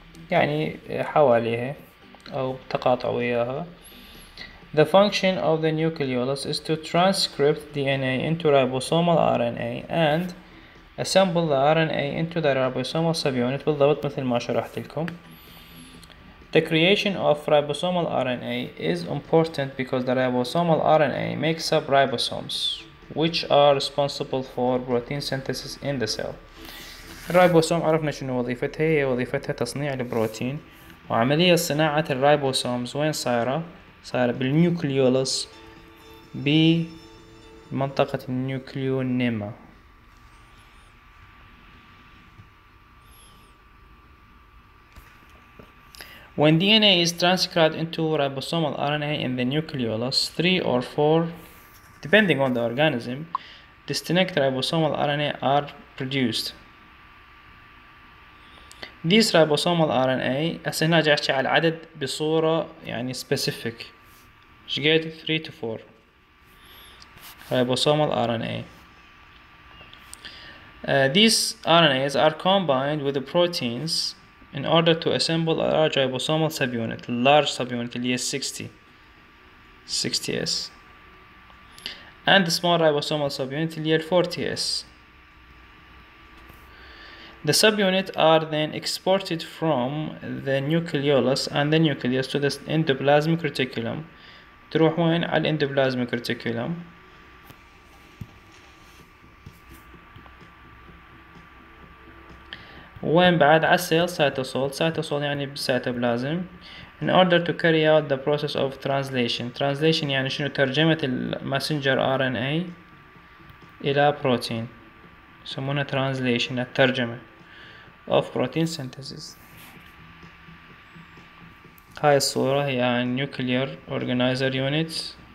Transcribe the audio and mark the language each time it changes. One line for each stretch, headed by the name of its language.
Arabic: يعني حواليها أو تقاطع وياها.
English: The function of the nucleolus is to transcript DNA into ribosomal RNA and assemble the RNA into the ribosomal subunit.
Arabic: بالضبط مثل ما شرحت لكم.
English: The creation of ribosomal RNA is important because the ribosomal RNA makes up ribosomes which are responsible for protein synthesis in the cell.
Arabic: الرايبوسوم عرفنا شنو وظيفتها، هي وظيفتها تصنيع البروتين، وعملية صناعة الرايبوسومز وين صايرة؟ صايرة بالنيوكليولس، بمنطقة النيوكليونيما.
English: When DNA is transcribed into ribosomal RNA in the nucleolus, 3 or 4, depending on the organism, distinct ribosomal RNA are produced. These ribosomal RNA, as
Arabic: هنا جاي احكي على العدد بصورة يعني specific. ايش قلت
English: 3 to 4 ribosomal RNA. These RNAs are combined with the proteins in order to assemble a large ribosomal subunit, large subunit
Arabic: اللي هي
English: 60 60S. and small ribosomal subunit
Arabic: اللي هي ال
English: 40S. The subunit are then exported from the nucleolus and the nucleus to the endoplasmic reticulum.
Arabic: تروح وين؟ على الاندوبلازميك ريتيكولوم. وين بعد؟ على السيل سيتوسول. سيتوسول يعني سيتوبلازم.
English: In order to carry out the process of translation.
Arabic: Translation يعني شنو؟ ترجمة الماسنجر ار ان اي الى بروتين. يسمونها
English: translation،
Arabic: الترجمة.
English: Of protein synthesis.
Arabic: هاي الصورة هي عن
English: nuclear organizer units.